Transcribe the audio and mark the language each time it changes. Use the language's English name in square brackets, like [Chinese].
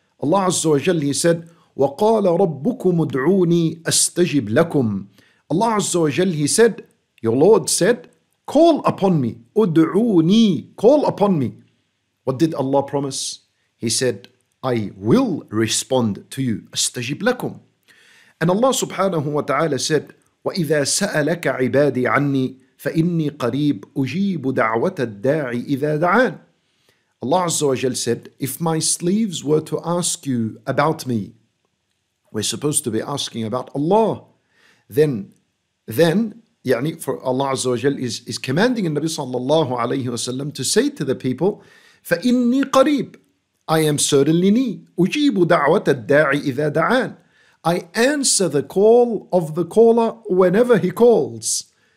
[English] Allah Azza wa Jalla, He said, [Arabic] وَقَالَ رَبُّكُمُ ادْعُونِي أَسْتَجِبْ لَكُمْ. [English] Allah Azza wa Jalla, He said, your Lord said, Call upon me. Ud'uni. Call upon me. What did Allah promise? He said, I will respond to you. [Arabic] Astajib lakum. [English] And Allah subhanahu wa ta'ala said, [Arabic] وَإِذَا سَأَلَكَ عِبَادِي عَنِّي فَإِنِّي قَرِيبُ أُجِيبُ دَعْوَةَ الدَّاعِ إِذَا دَعَانِ. [English] Allah Azza wa Jal said, if my slaves were to ask you about me, we're supposed to be asking about Allah, then يعني for Allah Azza wa Jal is commanding the Nabi sallallahu alayhi wa sallam to say to the people, [Arabic] فَإِنِّي قَرِيبُ, [English] I am certainly me, [Arabic] أُجِيبُ دَعْوَةَ الدَّاعِ إِذَا دَعَانِ, [English] I answer the call of the caller whenever he calls.